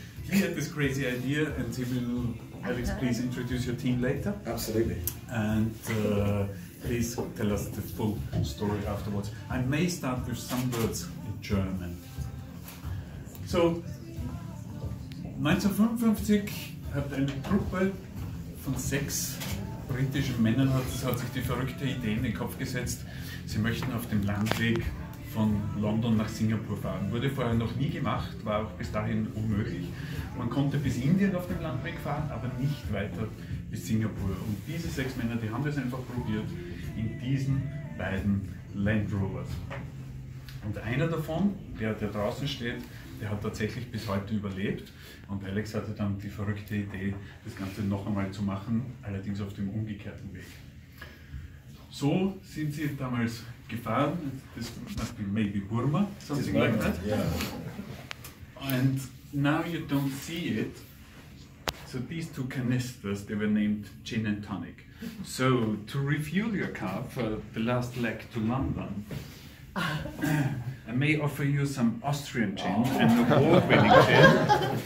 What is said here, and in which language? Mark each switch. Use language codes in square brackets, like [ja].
[en] He had this crazy idea, and he will, Alex, please introduce your team later. Absolutely. And please tell us the full story afterwards. I may start with some words in German. [de] So, 1955 hat eine Gruppe von sechs britischen Männern, hat sich die verrückte Idee in den Kopf gesetzt, sie möchten auf dem Landweg von London nach Singapur fahren. Wurde vorher noch nie gemacht, war auch bis dahin unmöglich. Man konnte bis Indien auf dem Landweg fahren, aber nicht weiter bis Singapur. Und diese sechs Männer, die haben es einfach probiert in diesen beiden Land Rovers. Und einer davon, der draußen steht, der hat tatsächlich bis heute überlebt. Und Alex hatte dann die verrückte Idee, das Ganze noch einmal zu machen, allerdings auf dem umgekehrten Weg. So sind sie damals gefahren. [en] This must be maybe Burma, something like that. Yeah. And now you don't see it. So these two canisters, they were named gin and tonic. So to refuel your car for the last leg to London, I may offer you some Austrian gin, an award-winning gin.